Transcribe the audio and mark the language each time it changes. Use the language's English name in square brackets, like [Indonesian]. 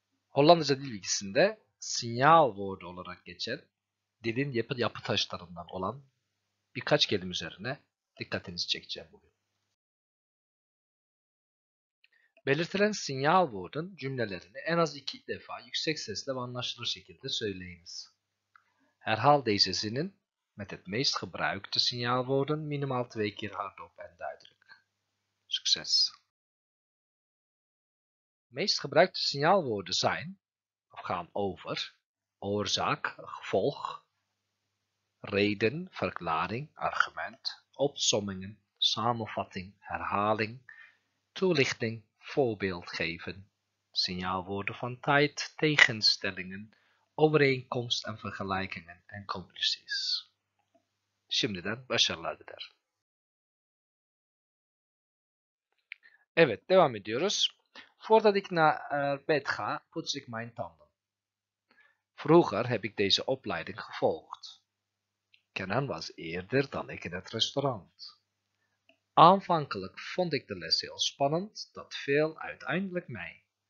[Turkish] Hollandaca dil bilgisinde signaalwoord olarak geçen dilin yapı taşlarından olan birkaç kelime üzerine dikkatinizi çekeceğim bugün. Belirtilen signaalwoord'un cümlelerini en az iki defa yüksek sesle ve anlaşılır şekilde söyleyiniz. [Dutch] Herhal deyicesinin met het meest gebruikte signaalwoorden minimaal twee keer hardop en duidelijk. Succes! Meest gebruikte signaalwoorden zijn, of gaan over, oorzaak, gevolg, reden, verklaring, argument, opsommingen, samenvatting, herhaling, toelichting, voorbeeld geven, signaalwoorden van tijd, tegenstellingen, overeenkomst en vergelijkingen en conclusies. [Turkish] Şimdiden başarılar diler. Evet, devam ediyoruz. [Dutch] Voordat ik naar bed ga, poets ik mijn tanden. Vroeger heb ik deze opleiding gevolgd. Kenan was eerder dan ik in het restaurant. Aanvankelijk vond ik de les heel spannend, dat viel uiteindelijk mee.